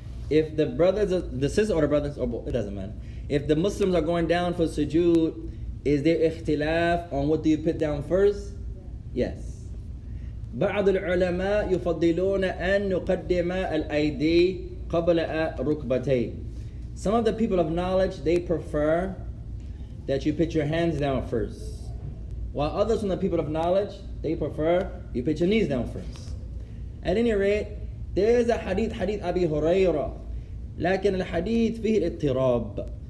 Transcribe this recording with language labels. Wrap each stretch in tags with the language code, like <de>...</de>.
<en>If the brothers, the sisters or the brothers, or both, it doesn't matter. If the Muslims are going down for sujood, is there ikhtilaf on what do you put down first? Yes.</en> <ar>بعض العلماء يفضلون أن نقدم الأيدي قبل ركبتي.</ar> <en>Some of the people of knowledge, they prefer that you put your hands down first. While others from the people of knowledge, they prefer you put your knees down first. At any rate, there is a hadith, hadith Abi Hurairah.</en> <ar>لكن الحديث فيه اضطراب.</ar>